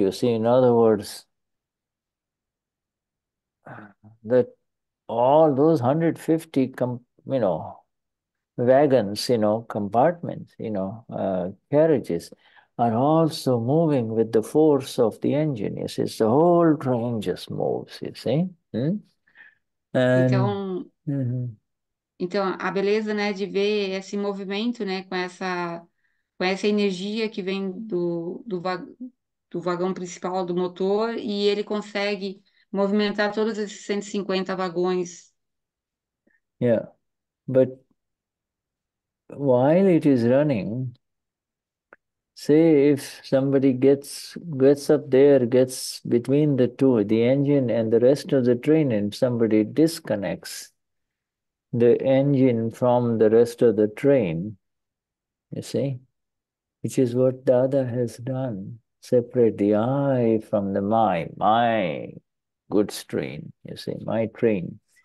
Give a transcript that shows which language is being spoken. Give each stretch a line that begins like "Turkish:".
English: You see, in other words, that all those 150, wagons, you know, compartments, you know, carriages, are also moving with the force of the engine. You see, the whole train just moves, you see?
Portuguese: Então, então, a beleza, né, de ver esse movimento, né, com essa energia que vem do vagão principal, do motor, e ele consegue movimentar todos esses 150 vagões.
English: Yeah, but while it is running, say if somebody gets up there, gets between the two, the engine and the rest of the train, and somebody disconnects the engine from the rest of the train, you see, which is what Dada has done, separate the eye from the my goods train, you see, my train.